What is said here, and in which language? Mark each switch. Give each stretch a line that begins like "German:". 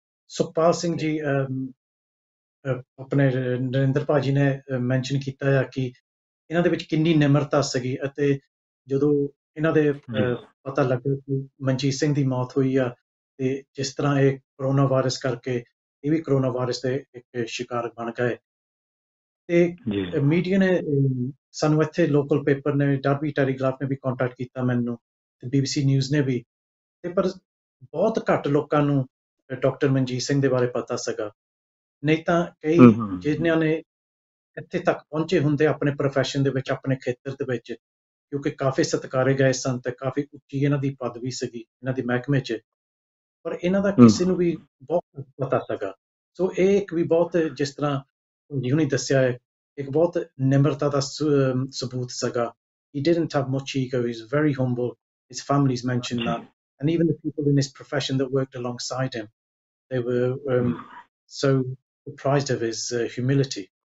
Punjabi: Sukhpal Singh ji, apne Narendra Paji ne mention kita ya ki inna de vich kinni nimrata sigi, ate jadon inna de pata lagge ki Manjeet Singh di maut hoi ya, te jis tarah eh corona virus karke eh vi corona virus de ik shikar ban gaye, ਅਤੇ media ਨੇ ਸਾਨੂੰ ਇੱਥੇ local paper ਨੇ, Derby telegraph ਨੇ ਵੀ contact ਕੀਤਾ ਮੈਨੂੰ, ਅਤੇ BBC news ਨੇ ਵੀ, ਅਤੇ ਪਰ ਬਹੁਤ ਘੱਟ ਲੋਕਾਂ ਨੂੰ ਡਾਕਟਰ ਮਨਜੀਤ ਸਿੰਘ ਦੇ ਬਾਰੇ ਪਤਾ ਸੀਗਾ। ਨਹੀਂ ਤਾਂ ਕਈ ਜਿਹਨਾਂ ਨੇ ਇੱਥੇ ਤੱਕ ਪਹੁੰਚੇ ਹੁੰਦੇ ਆਪਣੇ ਪ੍ਰੋਫੈਸ਼ਨ ਦੇ ਵਿੱਚ, ਆਪਣੇ ਖੇਤਰ ਦੇ ਵਿੱਚ, ਕਿਉਂਕਿ ਕਾਫੀ ਸਤਿਕਾਰੇ ਗਏ ਸਨ ਅਤੇ ਕਾਫੀ ਉੱਚੀ ਇਹਨਾਂ ਦੀ ਪਦਵੀ ਸੀਗੀ ਇਹਨਾਂ ਦੇ ਮਹਿਕਮੇ 'ਚ, ਪਰ ਇਹਨਾਂ ਦਾ ਕਿਸੇ ਨੂੰ ਵੀ ਬਹੁਤ ਪਤਾ ਸੀਗਾ। ਸੋ ਇਹ ਇੱਕ ਵੀ ਬਹੁਤ, ਜਿਸ ਤਰ੍ਹਾਂ ਜਿਹਨੇ ਦੱਸਿਆ ਹੈ, ਇੱਕ ਬਹੁਤ ਨਿਮਰਤਾ ਦਾ ਸਬੂਤ ਸੀਗਾ
English: He didn't have much ego. He was very humble. His family's mentioned that. And even the people in his profession that worked alongside him, they were so surprised of his humility.